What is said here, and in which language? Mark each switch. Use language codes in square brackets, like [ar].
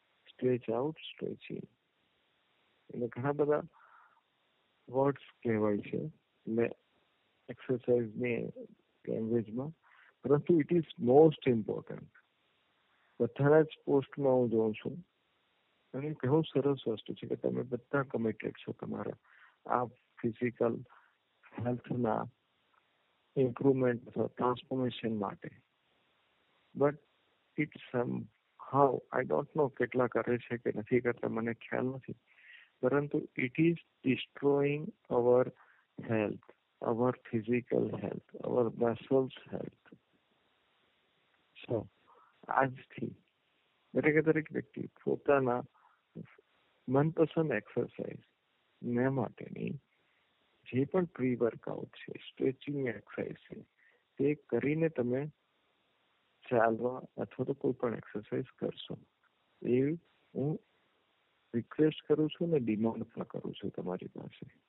[en] stretch out stretch in [gu] એટલે ઘણા બધા વર્ડ્સ કહેવાય છે એક્સરસાઇઝની લેંગ્વેજમાં પરંતુ [en] it is most important [gu] બધાના જ પોસ્ટમાં હું જોઉં છું અને બહુ સરસ વસ્તુ છે કે તમે બધા કમિટેડ છો તમારા આ ફિઝિકલ હેલ્થના [en] improvement or transformation [gu] માટે. [en] But it's how I don't know [gu] કેટલા કરે છે કે નથી કરતા મને ખ્યાલ નથી. પરંતુ [en] it is destroying our health, our physical health, our muscles health. So [gu] આજથી દરેક વ્યક્તિ પોતાના મનપસંદ એક્સરસાઇઝ ને માટેની જે પણ પ્રી વર્કઆઉટ છે, સ્ટ્રેચિંગ એક્સરસાઇઝ છે, તે કરીને તમે ચાલવા અથવા તો કોઈ પણ એક્સરસાઇઝ કરશો એ હું રિક્વેસ્ટ કરું છું અને ડિમાન્ડ પણ કરું છું તમારી પાસે.